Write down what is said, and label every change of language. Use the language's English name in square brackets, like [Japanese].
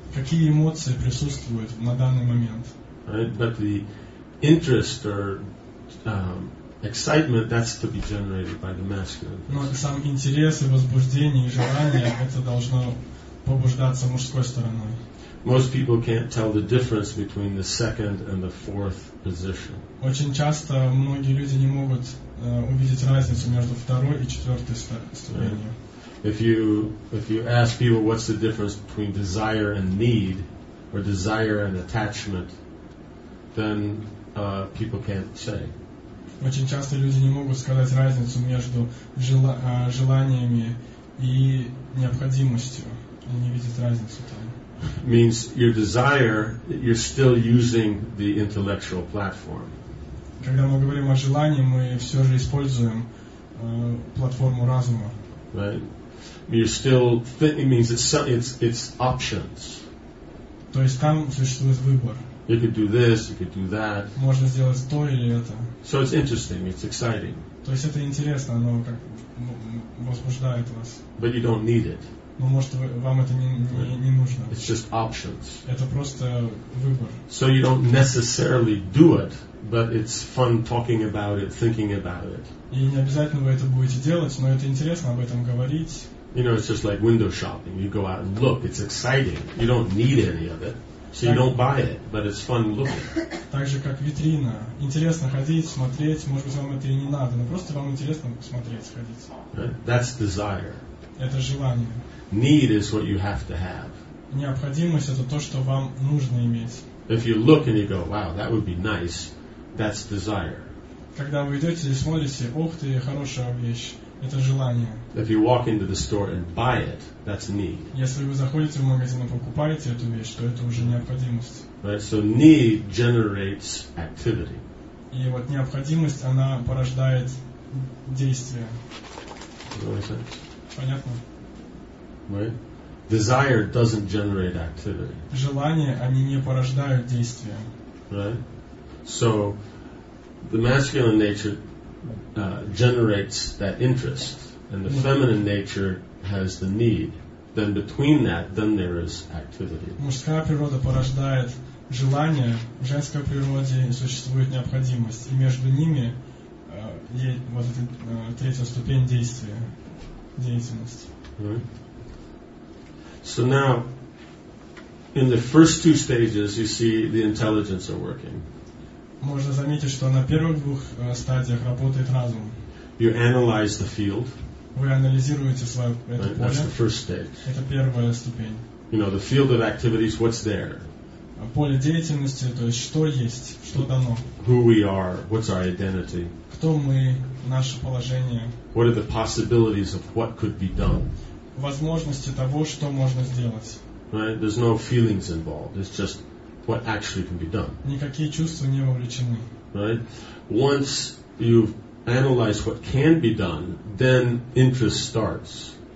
[Russian] Какие эмоции присутствуют на данный момент? [English] Right, but the interest or excitement, that's to be generated by the masculine. [Russian] Но сам интерес и возбуждение и желание, это должно побуждаться мужской стороной. [English] Most people can't tell the difference between the second and the fourth position. [Russian] Очень часто многие люди не могут увидеть разницу между второй и четвертой ступенью. [English] If you ask people what's the difference between desire and need, or desire and attachment, then people can't say. [Russian] Очень часто люди не могут сказать разницу между желаниями и необходимостью. Они не видят разницу там. [English] Means your desire, you're still using the intellectual platform. [Russian] Когда мы говорим о желании, мы все же используем платформу разума. [English] Right. You're still. It means it's options. [Russian] То есть там существует выбор. [English] You could do this. You could do that. [Russian] Можно сделать то или это. [English] So it's interesting. It's exciting. [Russian] То есть это интересно, оно как возбуждает вас. [English] But you don't need it. [Russian] Но может вам это не нужно. [English] It's just options. [Russian] Это просто выбор. [English] So you don't necessarily do it, but it's fun talking about it, thinking about it. [Russian] И не обязательно вы это будете делать, но это интересно об этом говорить. [English] You know, it's just like window shopping. You go out and look. It's exciting. You don't need any of it, so you don't buy it, but it's fun looking. [Russian] Так же как витрина. Интересно ходить, смотреть. Может быть, вам это и не надо, но просто вам интересно смотреть, ходить. [English] That's desire. [Russian] Это желание. [English] Need is what you have to have. [Russian] Необходимость — это то, что вам нужно иметь. [English] If you look and you go, wow, that would be nice, that's desire. [Russian] Когда вы идете и смотрите, ух ты, хорошая вещь, это желание. [English] If you walk into the store and buy it, that's need. [Russian] Если вы заходите в магазин и покупаете эту вещь, то это уже необходимость. [English] Right, so need generates activity. [Russian] И вот необходимость, она порождает действие. Понятно? [English] Right? Desire doesn't generate activity. [Russian] Желания, они не порождают действия. [English] Right? So, the masculine nature generates that interest, and the feminine nature has the need. Then between that, then there is activity. [Russian] Мужская природа порождает желание, в женской природе существует необходимость, и между ними есть вот эта третья ступень действия, деятельность. [English] Right? So now, in the first two stages, you see the intelligence are working. [Russian] Можно заметить, что на первых двух стадиях работает разум. [English] You analyze the field. [Russian] Вы анализируете свое это [English] right, [Russian] поле. [English] That's the first stage. [Russian] Это первая ступень. [English] You know, the field of activities, what's there? [Russian] Поле деятельности, то есть что есть, что дано. [English] Who we are, what's our identity? [Russian] Кто мы, наше положение. [English] What are the possibilities of what could be done? [Russian] Возможности того, что можно сделать. [English] Right? There's no feelings involved. It's just what actually can be done. [Russian] Никакие чувства не вовлечены. [English] Right? Once you've analyzed what can be done, then interest starts.